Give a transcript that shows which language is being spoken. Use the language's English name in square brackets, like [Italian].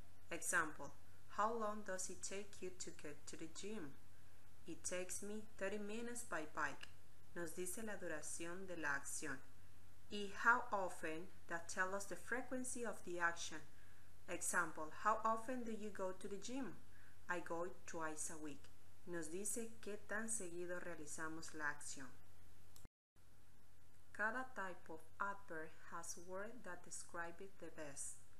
[English] Example, how long does it take you to get to the gym? It takes me 30 minutes by bike. [Spanish] Nos dice la duración de la acción. [English] Y how often, that tells us the frequency of the action. Example, how often do you go to the gym? I go twice a week. [Spanish] Nos dice qué tan seguido realizamos la acción. Cada [English] type of adverb has word that describe it the best.